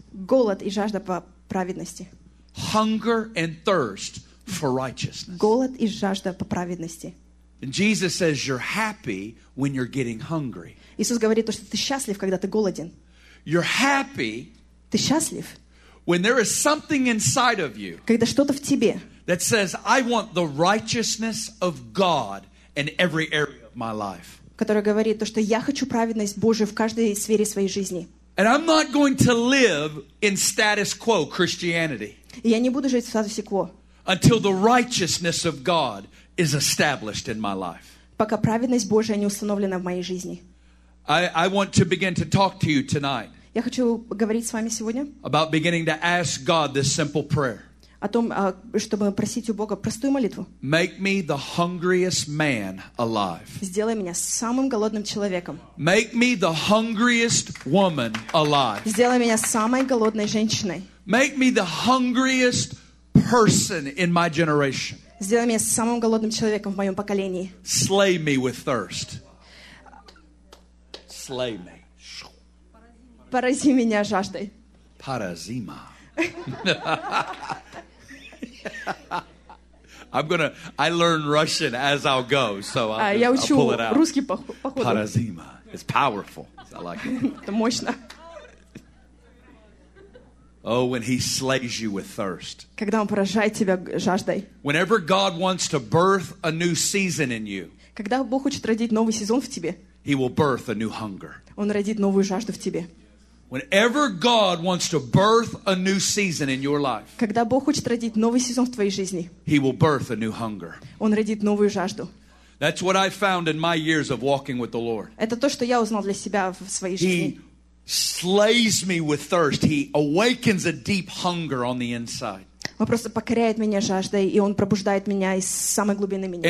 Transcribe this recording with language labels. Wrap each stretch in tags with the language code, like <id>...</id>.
<ru>Голод и жажда по праведности.</ru> <en>Hunger and thirst for righteousness.</en> <ru>Голод и жажда по праведности.</ru> <en>And Jesus says you're happy when you're getting hungry.</en> <ru>Иисус говорит, что ты счастлив, когда ты голоден.</ru> <en>You're happy.</en> <ru>Ты счастлив.</ru> <en>When there is something inside of you.</en> <ru>Когда что-то в тебе.</ru> <en>That says I want the righteousness of God in every area of my life.</en> <ru>Который говорит то, что я хочу праведность Божию в каждой сфере своей жизни.</ru> <en>And I'm not going to live in status quo Christianity.</en> <ru>И я не буду жить в статусе кво.</ru> <en>Until the righteousness of God is established in my life.</en> <ru>Пока праведность Божия не установлена в моей жизни.</ru> <en>I want to begin to talk to you tonight.</en> <ru>Я хочу говорить с вами сегодня.</ru> <en>About beginning to ask God this simple prayer.</en> <ru>О том, чтобы просить у Бога простую молитву.</ru> <en>Make me the hungriest man alive.</en> <ru>Сделай меня самым голодным человеком.</ru> <en>Make me the hungriest woman alive.</en> <ru>Сделай меня самой голодной женщиной.</ru> <en>Make me the hungriest person in my generation.</en> <ru>Сделай меня самым голодным человеком в моем поколении.</ru> <en>Slay me with thirst. Slay me.</en> <ru>Порази меня жаждой. Паразима.</ru> <en>I learn Russian as I'll go, so I'll pull it out.</en> <ru>Русский походу. Паразима.</ru> <en>It's powerful. I like it.</en> <ru>Это мощно.</ru> <en>Oh, when he slays you with thirst.</en> <ru>Когда он поражает тебя жаждой.</ru> <en>Whenever God wants to birth a new season in you.</en> <ru>Когда Бог хочет родить новый сезон в тебе.</ru> <en>He will birth a new hunger.</en> <ru>Он родит новую жажду в тебе.</ru> <en>Whenever God wants to birth a new season in your life.</en> <ru>Когда Бог хочет родить новый сезон в твоей жизни.</ru> <en>He will birth a new hunger.</en> <ru>Он родит новую жажду.</ru> <en>That's what I found in my years of walking with the Lord.</en> <ru>Это то, что я узнал для себя в своей жизни.</ru> <en>Slays me with thirst. He awakens a deep hunger on the inside.</en> <ru>Он просто покоряет меня жаждой, и он пробуждает меня из самой глубины меня.</ru>